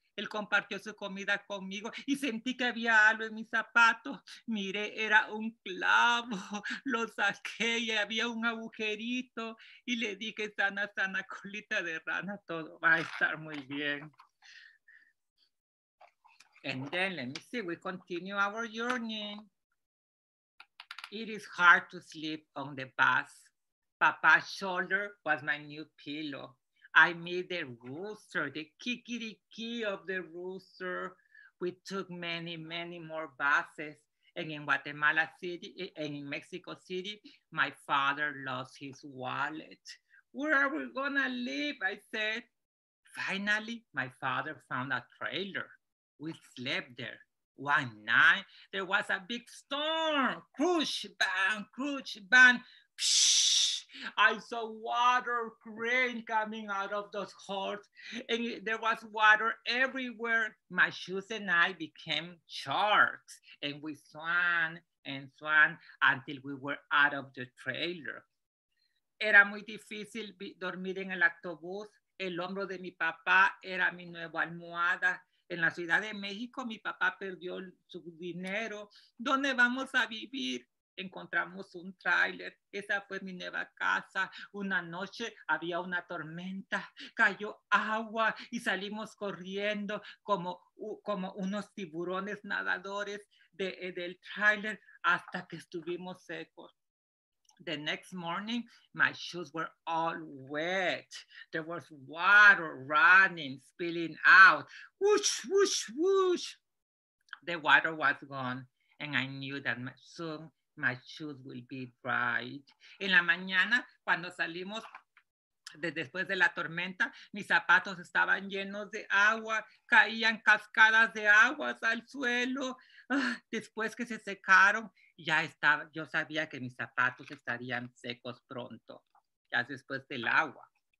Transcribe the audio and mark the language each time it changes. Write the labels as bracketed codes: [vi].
[es] Él compartió su comida conmigo y sentí que había algo en mi zapato. Miré, era un clavo. Lo saqué y había un agujerito. Y le dije, sana, sana, colita de rana, todo va a estar muy bien. [en] And then, let me see, we continue our journey. It is hard to sleep on the bus. Papa's shoulder was my new pillow. I meet the rooster, the kikiriki of the rooster. We took many, many more buses. And in Guatemala City, and in Mexico City, my father lost his wallet. Where are we gonna live? I said. Finally, my father found a trailer. We slept there. One night, there was a big storm. Crush, bang, psh. I saw water crane coming out of those holes, and there was water everywhere. My shoes and I became sharks, and we swam and swam until we were out of the trailer. [es] Era muy difícil dormir en el autobús. El hombro de mi papá era mi nueva almohada. En la Ciudad de México, mi papá perdió su dinero. ¿Dónde vamos a vivir? Encontramos un tráiler. Esa fue mi nueva casa. Una noche había una tormenta. Cayó agua y salimos corriendo como unos tiburones nadadores del tráiler hasta que estuvimos secos. [en] The next morning, my shoes were all wet. There was water running, spilling out. Whoosh, whoosh, whoosh. The water was gone, and I knew that soon my shoes will be dry. [es] En la mañana, cuando salimos después de la tormenta, mis zapatos estaban llenos de agua. Caían cascadas de aguas al suelo. Después que se secaron, ya estaba, yo sabía que mis zapatos estarían secos pronto, ya después del agua.